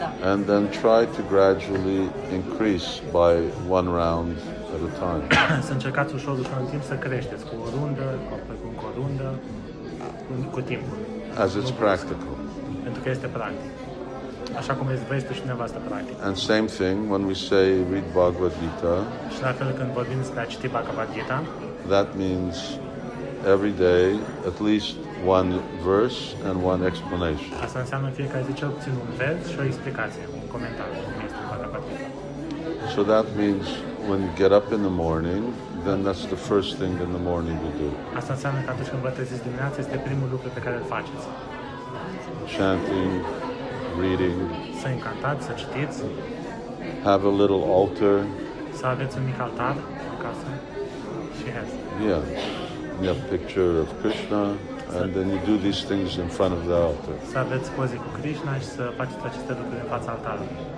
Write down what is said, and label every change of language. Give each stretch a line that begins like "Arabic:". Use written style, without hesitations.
English: And then try to gradually increase by one round at a time.
Romanian: Să încercați ușor, ușor, în timp să creșteți, cu o rundă, cu o rundă, cu timpul.
English: As it's practical.
Romanian: Pentru că este practic. Așa cum îți vrește și nevastă practic.
English: And same thing when we say read Bhagavad Gita.
Romanian: Și la fel când vorbim despre a citi Bhagavad Gita.
English: That means every day at least one verse and one explanation.
Romanian: Asta înseamnă fiecare zi cel puțin un vers și o explicație, un comentariu cum este Bhagavad Gita.
English: So that means when you get up in the morning, then that's the first thing in the morning you do.
Romanian: Asta înseamnă că atunci când vă treziți dimineața, este primul lucru pe care îl faceți.
English: Chanting, reading.
Romanian: Să încantați, să citiți.
English: Have a little altar.
Romanian: Să aveți un mic altar în casă. Și
English: yes. Yeah. You have a picture of Krishna. And then you do these things in front of the altar.
Romanian: Să aveți poze cu Krishna și să faceți aceste lucruri în fața altarului.